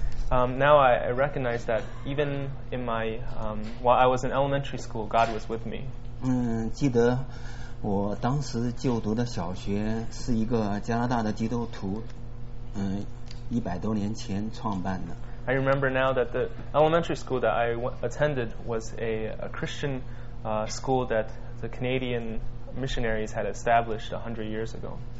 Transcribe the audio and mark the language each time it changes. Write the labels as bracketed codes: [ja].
[en] Now I recognize that even in my while I was in elementary school, God was with me. [zh] 记得我当时就读的小学是一个加拿大的基督徒，一百多年前创办的。 [en] I remember now that the elementary school that I attended was a Christian school that the Canadian missionaries had established 100 years ago.